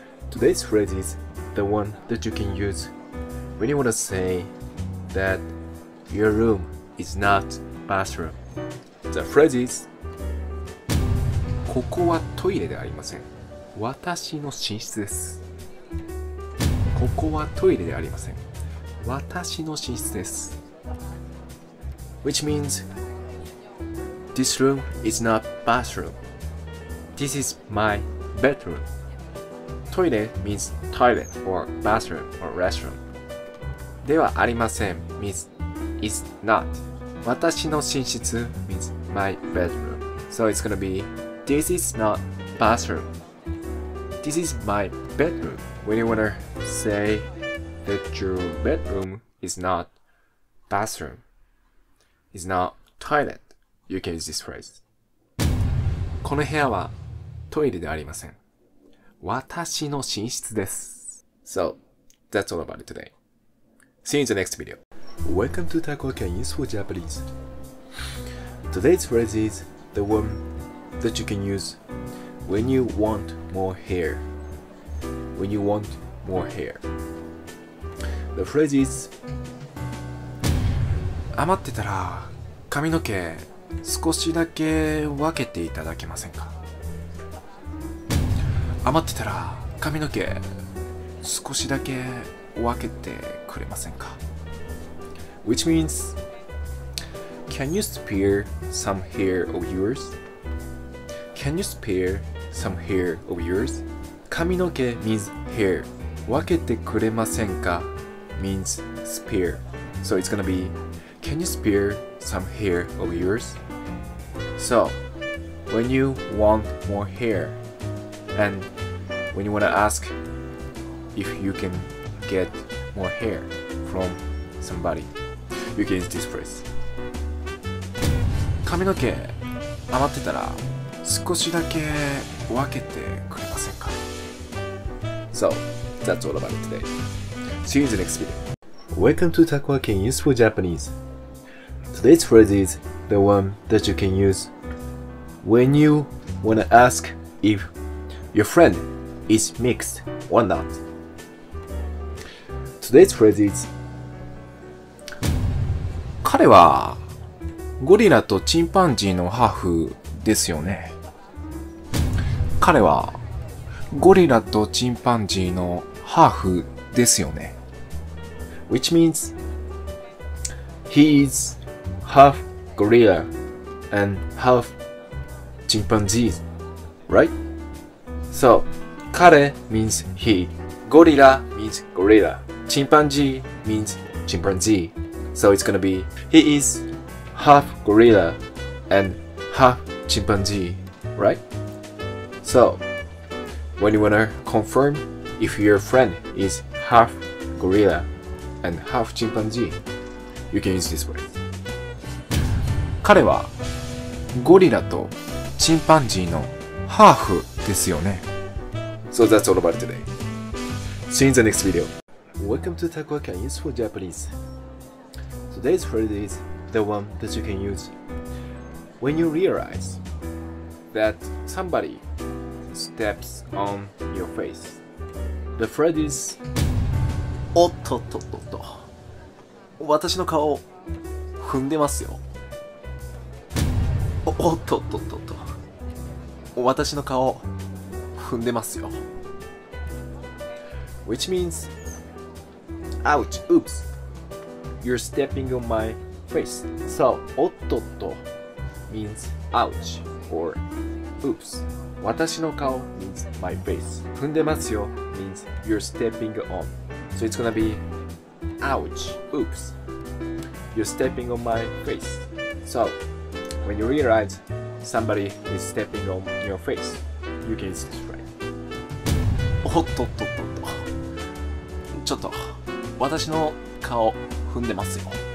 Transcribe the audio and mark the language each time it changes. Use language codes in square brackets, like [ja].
[en] Today's phrase is the one that you can use when you want to say that your room is not bathroom. The phrase is [ja] ここはトイレではありません。私の寝室です。ここはトイレではありません。私の寝室です。 [en] Which means this room is not bathroom. This is my bedroom. Toilet means toilet or bathroom or restroom. [ja] ではありません [en] means is not. [ja] 私の寝室 [en] means my bedroom. So it's gonna be this is not bathroom. This is my bedroom. When you wanna say that your bedroom is not bathroom, is not toilet, you can use this phrase. [ja] この部屋はトイレではありません。私の寝室です。 [en] So, that's all about it today. See you in the next video. Welcome to Takoyaki and Useful Japanese. Today's phrase is the one that you can use when you want more hair. When you want more hair. The phrase is [ja] 余ってたら髪の毛少しだけ分けていただけませんか? 余ってたら髪の毛少しだけ分けてくれませんか? [en] Which means, can you spare some hair of yours? Can you spare some hair of yours? [ja] 髪の毛 [en] means hair. [ja] 分けてくれませんか? [en] Means spare. So it's gonna be, can you spare some hair of yours? So, when you want more hair, andWhen you want to ask if you can get more hair from somebody, you can use this phrase. [ja] 髪の毛余ってたら少しだけ分けてくれませんか? [en] So, that's all about it today. See you in the next video. Welcome to Takoyaki and Useful Japanese. Today's phrase is the one that you can use when you want to ask if your friendis mixed or not. Today's phrase is [ja] 彼はゴリラとチンパンジーのハーフですよね。彼はゴリラとチンパンジーのハーフですよね。 [en] Which means he is half gorilla and half chimpanzee, right? So, 彼 means he. ゴリラ means gorilla. チンパンジー means chimpanzee. So it's gonna be he is half gorilla and half chimpanzee, right? So when you wanna confirm if your friend is half gorilla and half chimpanzee, you can use this word. [ja] 彼はゴリラとチンパンジーのハーフですよね。 [en] So that's all about it today. See you in the next video. Welcome to Takoyaki and Useful Japanese. Today's phrase is the one that you can use when you realize that somebody steps on your face. The phrase is [ja] おっとっとっとっと私の顔踏んでますよ。おっとっとっとっと私の顔踏んでますよ。 [en] Which means, ouch, oops, you're stepping on my face. So, おっとっと means ouch or oops. 私の顔 means my face. [ja] 踏んでますよ [en] means you're stepping on. So it's gonna be, ouch, oops, you're stepping on my face. So, when you realize somebody is stepping on your face, you can use this phrase. [ja] おっとっとっと。ちょっと私の顔踏んでますよ。